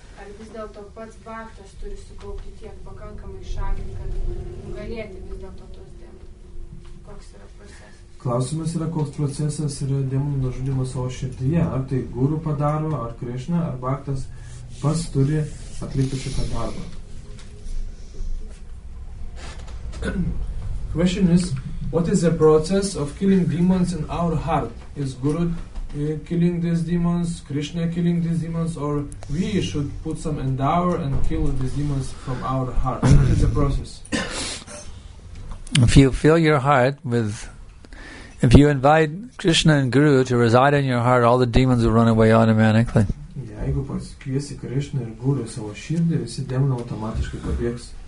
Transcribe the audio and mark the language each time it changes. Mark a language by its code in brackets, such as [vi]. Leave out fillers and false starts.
[lt] Ar vis dėlto pats baktas turi sukaupti tiek pakankamai šakį, kad nugalėti vis dėlto tuos demonus? Koks yra procesas? Klausimas yra, koks procesas yra demonų nužudymas savo širdyje. Ar tai guru padaro, ar Krišna, ar baktas pas turi atlikti šitą darbą. [en] Question is, what is the process of killing demons in our heart? Is guru killing these demons, Krishna killing these demons, or we should put some endeavor and kill these demons from our heart? What is the process? If you fill your heart with If you invite Krishna and Guru to reside in your heart, all the demons will run away automatically. [lt] Jeigu pasikviesi Krishna ir Guru savo širdį, visi demonai automatiškai pabėgs.